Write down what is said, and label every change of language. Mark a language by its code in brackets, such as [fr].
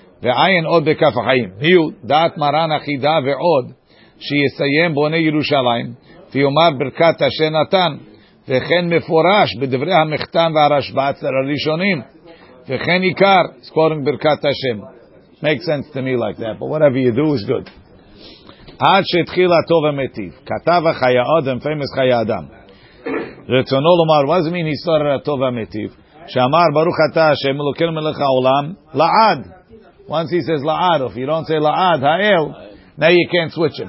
[he] ועין עוד בכף החיים. היו דעת מרן אחידה ועוד שיסיים בונה ירושלים ויאמר ברכת אשר נתן וכן מפורש בדברי המחתן והרשב"ץ הראשונים וכן עיקר סקורינג ברכת השם. [en] Make sense to me like that, but whatever you do is good. [he] עד שהתחיל הטוב המטיב, כתב החיי אדם, famous חיי אדם. רצונו לומר, מה זה מין היסטוריה הטוב המטיב? שאמר ברוך אתה השם אלוקינו מלך העולם לעד. [en] Once he says la'ad, if you don't say la'ad, ha'el, now you can't switch it.